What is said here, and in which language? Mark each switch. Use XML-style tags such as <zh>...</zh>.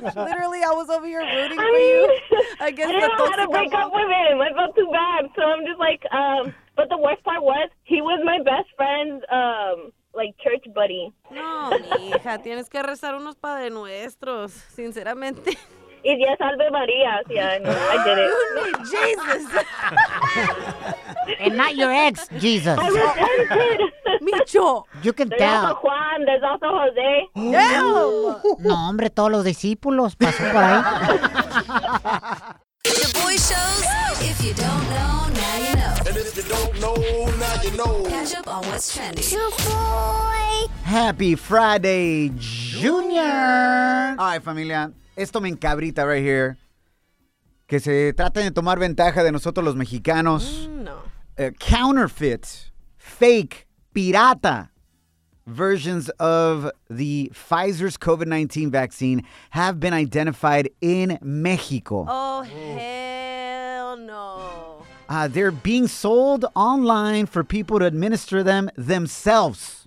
<en>Literally, I was over here rooting for you. I guess I didn't know how to break up with him. I felt too bad. So I'm just like, but the worst part was he was my best friend's, church buddy.</en> <es>No, mija, tienes que rezar unos padre nuestros, sinceramente. Y Dios salve María.</es> <en>Yeah, I did it. You need Jesus. And not your ex, Jesus. Micho. You can there's tell. There's also Juan. There's also Jose.</en> <es>No, hombre, todos los discípulos pasan por ahí.</es> <en>The boy shows. If you don't know, now you know. And if you don't know, now you know. Catch up on what's trending. Your boy. Happy Friday, Junior. All right, familia.</en> <es>Esto me encabrita</es> <en>right here.</en> <es>Que se traten de tomar ventaja de nosotros los mexicanos. No.</es> <en>Counterfeit, fake, pirata versions of the Pfizer's COVID-19 vaccine have been identified in Mexico. Oh, hell no. They're being sold online for people to administer them themselves.</en>